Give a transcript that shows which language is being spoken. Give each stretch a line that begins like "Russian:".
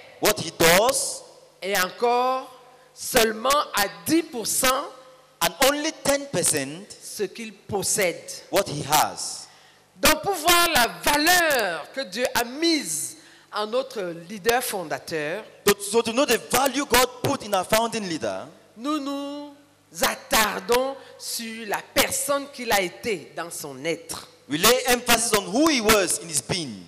English: what he does,
French: et encore seulement à 10%,
English: and only 10%,
French: ce qu'il possède,
English: what he has.
French: Donc pour voir la valeur que Dieu a mise en notre leader fondateur,
English: so to know the value God put in our founding leader,
French: nous nous attardons sur la personne qu'il a été dans son être.
English: We lay emphasis on who he was in his being.